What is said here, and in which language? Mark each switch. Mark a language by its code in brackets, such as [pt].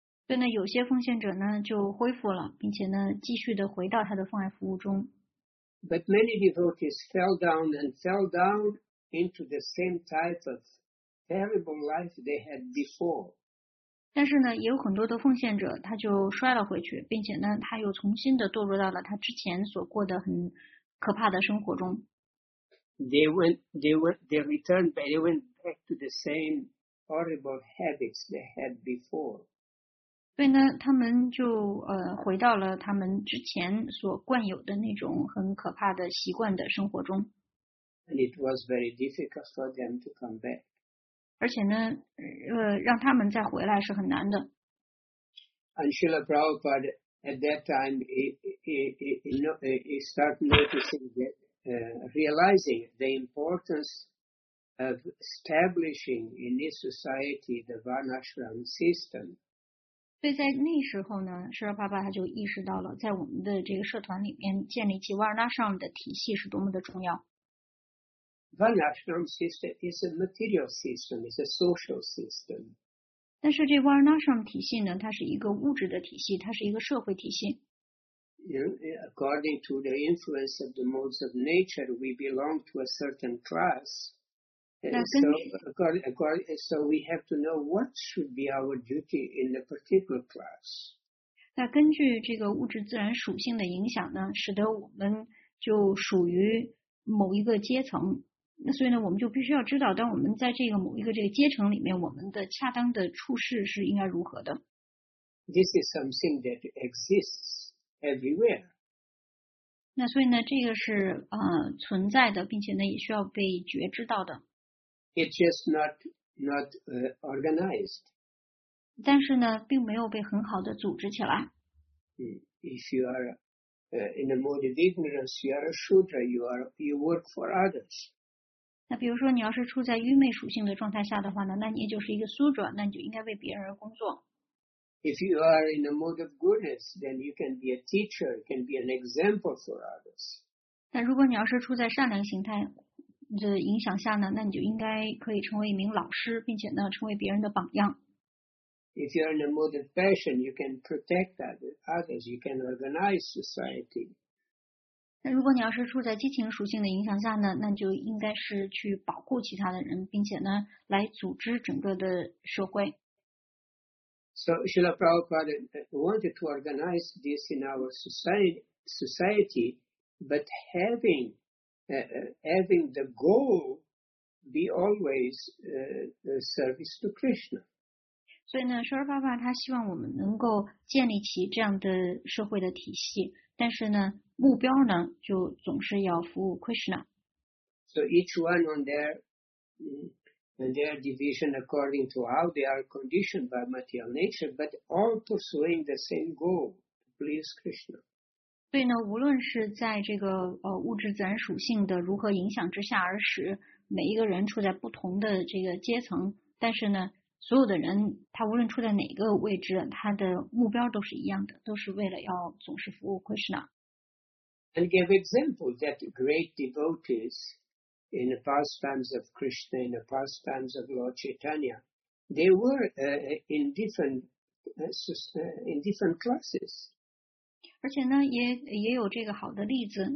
[zh] 对，那有些奉献者呢就恢复了，并且呢继续的回到他的奉爱服务中。 [en] But many devotees fell down into the same type of terrible life they had before. [zh] 但是呢，也有很多的奉献者他就摔了回去，并且呢他又重新的堕入到了他之前所过的很可怕的生活中。 [en] They went back to the same horrible habits they had before. [zh] 所以呢，他们就回到了他们之前所惯有的那种很可怕的习惯的生活中。 [en] And it was very difficult for them to come back. [zh] 而且呢，让他们再回来是很难的。 [en] And Srila Prabhupada at that time he started noticing that. Realizing the importance of establishing in this society the Varnashram system. [zh] 所以在那时候呢，舍勒帕帕他就意识到了，在我们的这个社团里面建立起 Varnashram 的体系是多么的重要。 [en] Varnashram system is a material system, it's a social system. [zh] 但是这 Varnashram 体系呢，它是一个物质的体系，它是一个社会体系。 [en] According to the influence of the modes of nature, we belong to a certain class. So we have to know what should be our duty in the particular class. [zh] 那根据这个物质自然属性的影响呢，使得我们就属于某一个阶层。那所以呢，我们就必须要知道，当我们在这个某一个这个阶层里面，我们的恰当的处事是应该如何的。 [en] This is something that exists. Everywhere. [zh] 那所以呢，这个是存在的，并且呢也需要被觉知到的。 [en] It's just not organized. [zh] 但是呢，并没有被很好的组织起来。 [en] If you are in a mode of ignorance, you are a shudra. You work for others. [zh] 那比如说，你要是处在愚昧属性的状态下的话呢，那你就是一个 sudra， 那你就应该为别人而工作。 [en] If you are in a mode of goodness, then you can be a teacher, you can be an example for others. [zh] 但如果你要是处在善良形态的影响下呢，那你就应该可以成为一名老师，并且呢成为别人的榜样。 [en] If you are in a mode of passion, you can protect others, you can organize society. [zh] 那如果你要是处在激情属性的影响下呢，那你就应该是去保护其他的人，并且呢来组织整个的社会。 [en] So Srila Prabhupada wanted to organize this in our society, but having the goal be always the service to Krishna. [zh] 所以呢，舍勒帕帕他希望我们能够建立起这样的社会的体系，但是呢，目标呢就总是要服务 Krishna. [en] So each one on there. And their division according to how they are conditioned by material nature, but all pursuing the same goal, to please Krishna. [zh] 对呢，无论是在这个物质自然属性的如何影响之下，而使每一个人处在不同的这个阶层，但是呢，所有的人他无论处在哪个位置，他的目标都是一样的，都是为了要总是服务 Krishna. [en] And give example that great devotees. In the pastimes of Krishna, in the pastimes of Lord Chaitanya, they were in different classes. [zh] 而且呢，也有这个好的例子。